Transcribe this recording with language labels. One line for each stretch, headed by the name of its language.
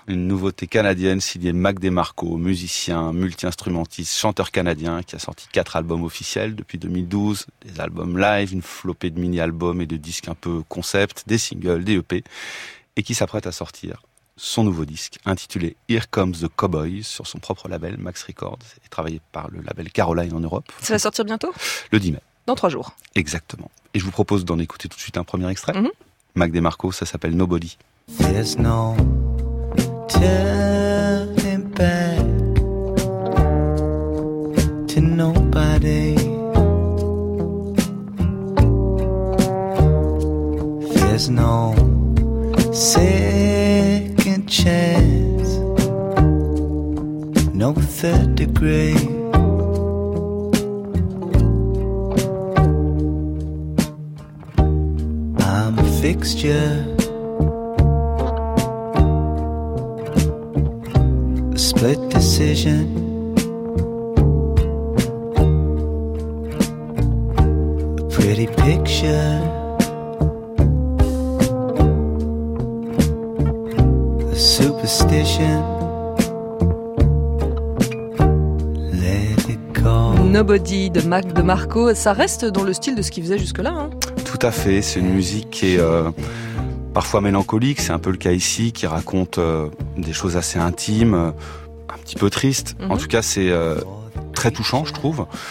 French: Une nouveauté canadienne signée Mac DeMarco, musicien, multi-instrumentiste, chanteur canadien, qui a sorti 4 albums officiels depuis 2012, des albums live, une flopée de mini-albums et de disques un peu concept, des singles, des EP, et qui s'apprête à sortir son nouveau disque, intitulé Here Comes the Cowboy, sur son propre label, Max Records, et travaillé par le label Caroline en Europe. Ça va sortir bientôt ? Le 10 mai. Dans 3 jours. Exactement. Et je vous propose d'en écouter tout de suite un premier extrait. Mm-hmm. Mac DeMarco, ça s'appelle Nobody.
English: There's no turning back to nobody. There's no second chance, no third degree. I'm a fixture, a split decision. A pretty picture, superstition. Let it go.
French: Nobody de Mac DeMarco, ça reste dans le style de ce qu'il faisait jusque-là. Hein. Tout à fait, c'est une musique qui est parfois mélancolique, c'est un peu le cas ici, qui raconte des choses assez intimes, un petit peu tristes. Mm-hmm. En tout cas, c'est très touchant, je trouve.